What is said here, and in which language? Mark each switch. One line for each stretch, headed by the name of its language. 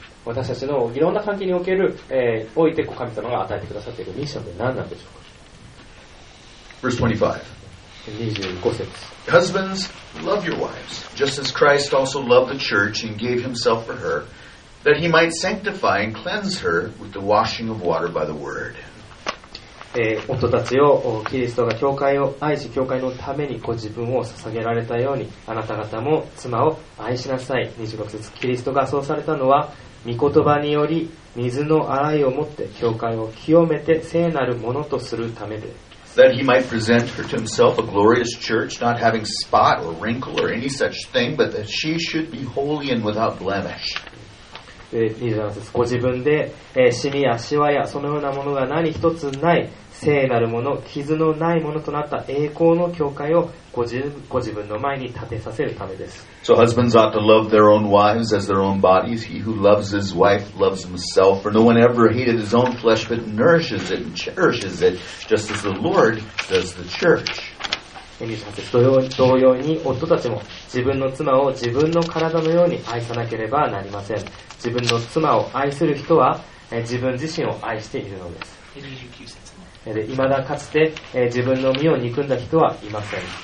Japanese: 私たちのいろんな関係における、おいてこう神様が与えてくださっているミッションって何なんでしょうか。
English: Verse 25
Japanese: 節
English: Husbands, love your wives just as Christ also loved the church and gave himself for her that he might sanctify and cleanse her with the washing of water by the word。
Japanese: 夫たちをキリストが教会を愛し教会のためにご自分を捧げられたようにあなた方も妻を愛しなさい。 26節キリストがそうされたのは御言葉により水の洗いをもって教会を清めて聖なるものとするためです。
English: That he might present her to himself a glorious church not having spot or wrinkle or any such thing but that she should be holy and without blemish。
Japanese: ご自分で、シミやシワやそのようなものが何一つない聖なるもの傷のないものとなった栄光の教会をご自分の前に立てさせるためです。
English: So husbands ought to love their own wives as their own bodies. He who loves his wife loves himself. For no one ever hated his own flesh but nourishes it and cherishes it just as the Lord does the church.
Japanese: 28節同様に夫たちも自分の妻を自分の体のように愛さなければなりません。自分の妻を愛する人は自分自身を愛しているのです。いまだかつて自分の身を憎んだ人はいません。